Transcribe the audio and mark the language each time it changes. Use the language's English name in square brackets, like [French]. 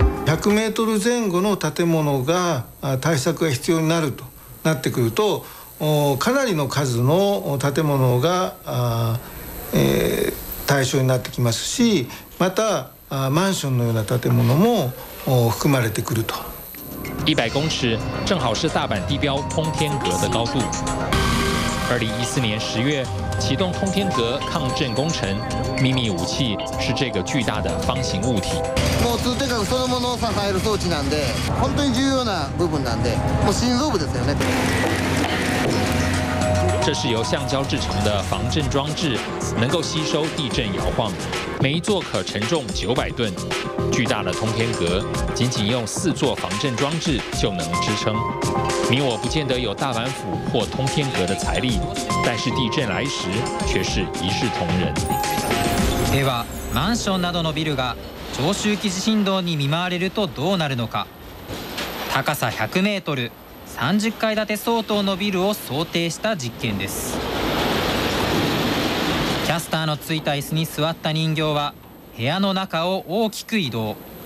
[Japanese] 100メートル前後の建物が対策が必要になるとなってくるとかなりの数の建物が対象になってきますしまたマンションのような建物も含まれてくると [Chinese] 100公尺正好是大阪地标通天阁的高度2014年10月启动通天阁抗震工程秘密武器是这个巨大的方形物体 [Japanese] もう通天閣そのものを支える装置なんで本当に重要な部分なんでもう心臓部ですよね [Chinese] 这是由橡胶制成的防震装置能够吸收地震摇晃每一座可承重900吨巨大的通天阁仅仅用四座防震装置就能支撑你我不见得有大阪府或通天阁的财力但是地震来时却是一视同仁 [Japanese] では、マンションなどのビルが長周期地震動に見舞われるとどうなるのか。高さ100メートル、30階建て相当のビルを想定した実験です。キャスターのついた椅子に座った人形は部屋の中を大きく移動。